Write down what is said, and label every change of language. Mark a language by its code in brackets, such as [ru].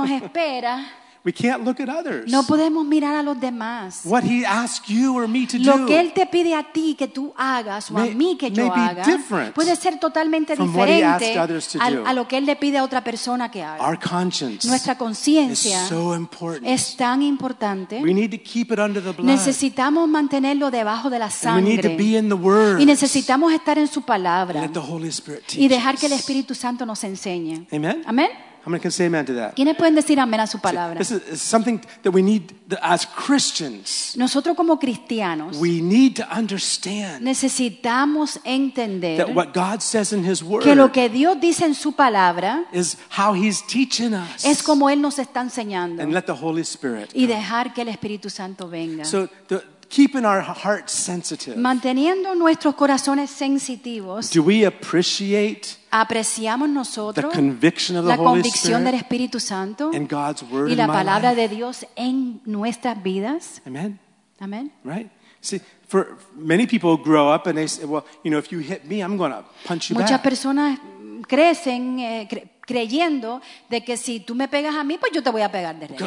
[es] Nos espera. [en] We can't look at others. [es] No podemos mirar a los demás. [en] What he asks you or me to [es] lo [en] do. [es] Lo que él te pide a ti que tú hagas o [en] may, [es] a mí que yo haga. [en] Different. [es] Puede ser totalmente [en] from [es] diferente [en] what he asks others to do. [es] A lo que él le pide a otra persona que haga. [en] Our conscience. [es] Nuestra conciencia. [en] Is so important. [es] Es tan importante. [en] We need to keep it under the blood. [es] Necesitamos mantenerlo debajo de la sangre. [en] And we need to be in the word. [es] Y necesitamos estar en su palabra. [en] And let the Holy Spirit teach [es] y dejar que el Espíritu Santo nos enseñe. [en] Amen. [es] Amen. [en] How many can say amen to that? [es] ¿Quiénes pueden decir amén a su palabra? [en] See, this is something that we need as Christians. [es] Nosotros como cristianos. [en] We need to understand. [es] Necesitamos entender. [en] That what God says in his word. [es] Que lo que Dios dice en su palabra. [en] Is how he's teaching us. [es] Es como él nos está enseñando. [en] And let the Holy Spirit [es] y dejar que el Espíritu Santo venga. [en] So the, keeping our hearts sensitive. [es] Manteniendo nuestros corazones sensitivos. [en] Do we appreciate [es] apreciamos nosotros [en] the conviction of the Holy [es] convicción [en] Spirit [es] del Espíritu Santo [en] and God's word [es] y la [en] in [es] palabra [en] my life? [es] De Dios en nuestras vidas? [en] Amen. [es] Amen. [en] Right? See, for many people grow up and they say, well, you know, if you hit me, I'm going to punch you [es] muchas [en] back. [es] Personas crecen creyendo de que si tú me pegas a mí, pues yo te voy a pegar de regreso.